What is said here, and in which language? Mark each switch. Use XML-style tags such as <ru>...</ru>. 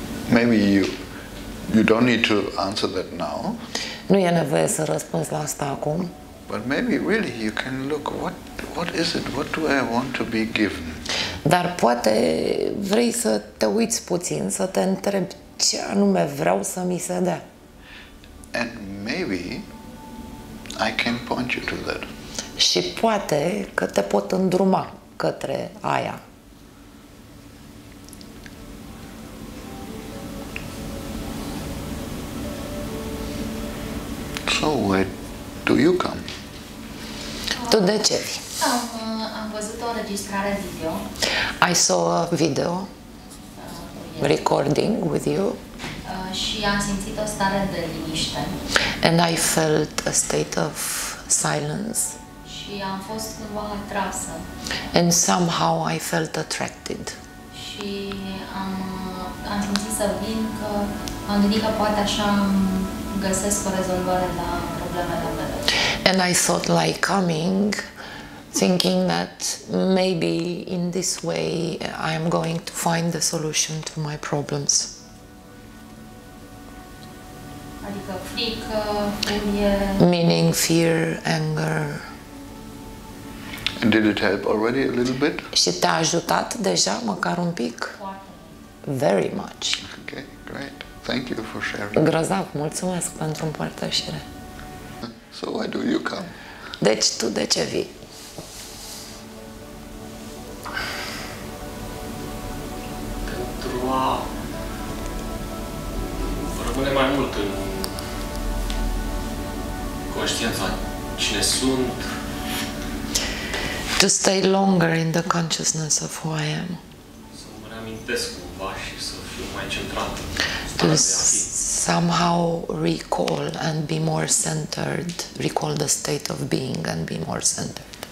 <en>Maybe you don't need to answer that now.</en> <ro>Nu e nevoie să răspunzi la asta acum.</ro> <en>But maybe really you can look what is it, what do I want to be given?</en> <ro>Dar poate vrei să te uiți puțin, să te întrebi ce anume vreau să mi se dea.</ro> <en>And maybe I can point you to that.</en> <ro>Și poate că te pot îndruma către aia.</ro> <en>So where do you come?</en> <ro>Tu de ce vii? Am văzut o înregistrare video.</ro> <en>I saw a video recording with you.</en> <ro>Și am simțit o stare de liniște.</ro> <en>And I felt a state of silence.</en> <ro>Și am fost cumva atrasă.</ro> <en>And somehow I felt attracted.</en> <ro>Și am simțit să vin că am gândit că poate așa găsesc o rezolvare la problemele mele.</ro> <en>And I thought like coming, thinking that maybe in this way I am going to find the solution to my problems.</en> <ro>Adică frică, furie.</ro> <en>Meaning fear, anger. And did it help already a little bit?</en> <ro>Și te-a ajutat deja măcar un pic? Foarte.</ro> <en>Very much. Okay, great. Thank you for sharing.</en> <ro>Grozav, mulțumesc pentru împărtășire.</ro> <en>So why do you come?</en> <ro>Deci tu de ce vii? Pentru a rămâne mai mult în conștiința cine sunt.</ro> <en>To stay longer in the consciousness of who I am.</en> <ro>Să mă reamintesc cumva și să fiu mai centrat.</ro> <en>To somehow recall and be more centered, recall the state of being and be more centered.</en>